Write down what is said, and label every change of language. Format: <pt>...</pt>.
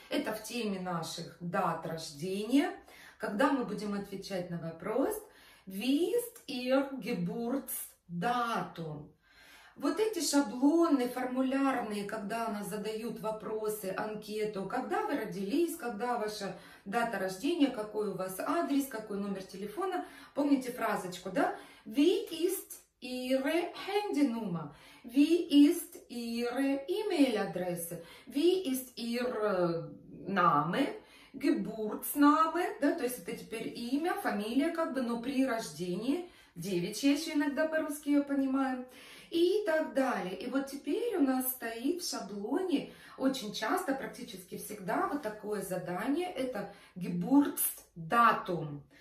<ru>Это в теме наших дат рождения, когда мы будем отвечать на вопрос</ru> <de>«Wie ihr Geburtsdatum?».</de> <ru>Вот эти шаблоны, формулярные, когда нас задают вопросы, анкету, когда вы родились, когда ваша дата рождения, какой у вас адрес, какой номер телефона, помните фразочку, да?</ru> <de>Wie ist Ihre Handynummer? Wie ist Ihre E-Mail-Adresse? Wie ist Ihr Name?</de> <ru>Geburtsname, да, то есть это теперь имя, фамилия, как бы, но при рождении, девичья еще иногда по-русски ее понимаю, и так далее. И вот теперь у нас стоит в шаблоне очень часто, практически всегда, вот такое задание, это Geburtsdatum.</ru>